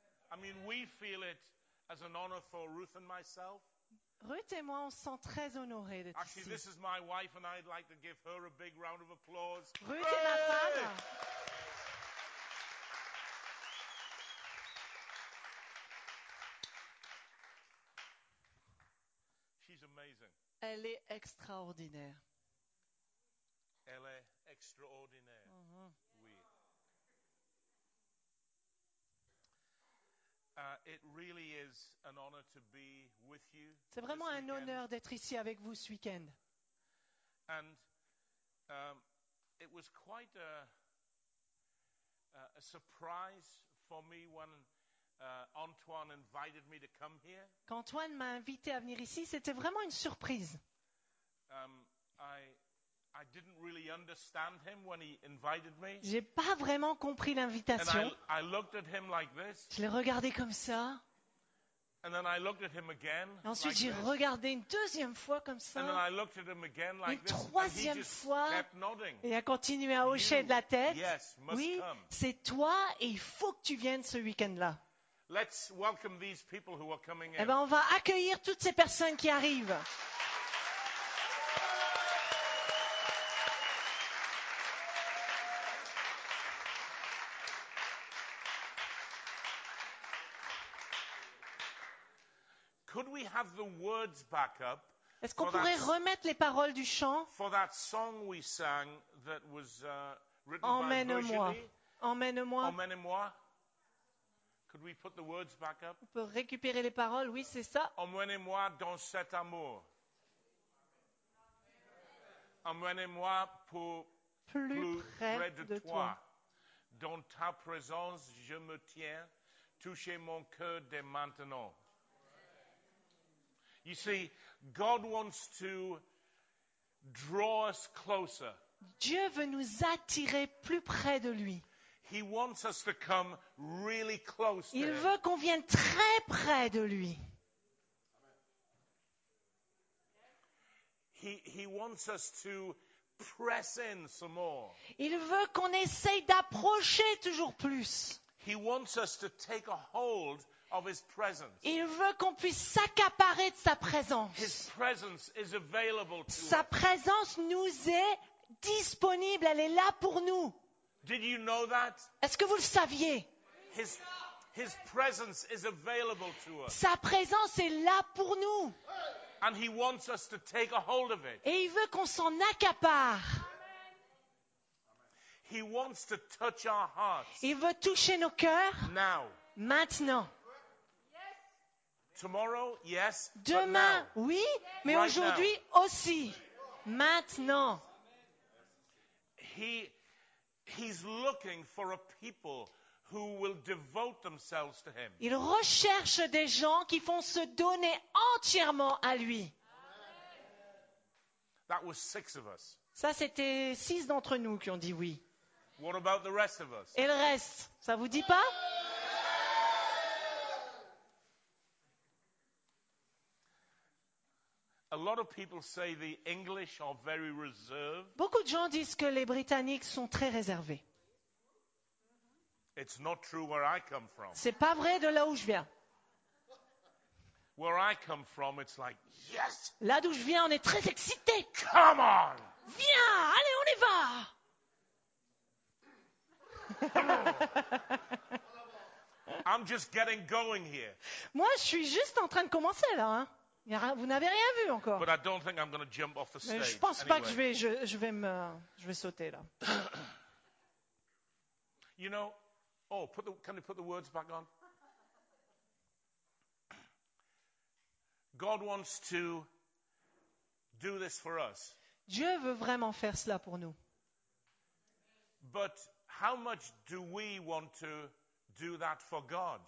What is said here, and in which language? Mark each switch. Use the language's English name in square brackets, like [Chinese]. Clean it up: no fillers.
[English] I mean, we feel it as an honor for Ruth and myself. [French] Ruth et moi, on se sent très honorés d'être ici. [English] This is my wife, and I'd like to give her a big round of applause. [French] Ruth hey! Est ma femme. [English] She's amazing. [French] Elle est extraordinaire. Elle est extraordinaire. Oui. [English] It really is an honor to be with you. [French] C'est vraiment un honneur d'être ici avec vous ce week-end. [English] And it was quite a surprise for me when Antoine invited me to come here. [French] Quand Antoine m'a invité à venir ici, c'était vraiment une surprise. [English] I didn't really understand him when he invited me. [French] J'ai pas vraiment compris l'invitation. [English] And I looked at him like this. [French] Je l'ai regardé comme ça. [English] And then I looked at him again. [French] Et ensuite j'ai regardé une deuxième fois comme ça. [English] And then I looked at him again like this. [French] Une troisième fois. [English] And he just kept nodding. [French] Et a continué à hocher de la tête. [English] Yes, must [French] oui, [English] come. [French] C'est toi et il faut que tu viennes ce week-end-là. [English] Let's welcome these people who are coming in. [French] Eh ben on va accueillir toutes ces personnes qui arrivent. [English] Could we have the words back up? [French] Est-ce qu'on pourrait remettre les paroles du chant? [English] For that song we sang that was written [French] Emmène-moi. [English] By [French] Emmène-moi. Emmène-moi. [English] Could we put the words back up? [French] On peut récupérer les paroles, oui, c'est ça. Emmène-moi dans cet amour. Emmène-moi pour plus près de toi. Dans ta présence, je me tiens. Touchez mon cœur dès maintenant. [English] You see, God wants to draw us closer. [French] Dieu veut nous attirer plus près de lui. [English] He wants us to come really close. [French] Il veut qu'on vienne très près de lui. [English] He wants us to press in some more. [French] Il veut qu'on essaye d'approcher toujours plus. [English] He wants us to take a hold of his presence. [French] Il veut qu'on puisse s'accaparer de sa présence. [English] His presence is available to [French] sa présence nous est disponible, elle est là pour nous. [English] Did you know that? [French] Est-ce que vous le saviez? [English] His presence is available to us. [French] Sa présence est là pour nous. [English] And he wants us to take a hold of it. [French] Et il veut qu'on s'en accapare. [English] He wants to touch our hearts. [French] Il veut toucher nos cœurs. [English] Now. [French] Maintenant. [English] Tomorrow, yes. [French] Demain, [English] but now. [French] Oui, mais [English] right [French] aujourd'hui [English] now. [French] Aussi. Maintenant. [English] He's looking for a people who will devote themselves to him. [French] Il recherche des gens qui vont se donner entièrement à lui. [English] That was six of us. [French] Ça, c'était six d'entre nous qui ont dit oui. [English] What about the rest of us? [French] Et le reste, ça vous dit pas? [English] A lot of people say the English are very reserved. [French] Beaucoup de gens disent que les Britanniques sont très réservés. [English] It's not true where I come from. [French] C'est pas vrai de là où je viens. [English] Where I come from, it's like, yes! [French] Là d'où je viens, on est très excités. [English] Come on! [French] Viens, allez, on y va! [English] I'm just getting going here. [French] Moi, je suis juste en train de commencer là. Hein. Vous n'avez rien vu encore. [English] But I don't think I'm going to jump off the stage. [French] Mais je pense [English] anyway. [French] Pas que je vais sauter là. [English] You know, oh, can you put the words back on? God wants to do this for us. [French] Dieu veut vraiment faire cela pour nous. [English] But how much do we want to do that for God?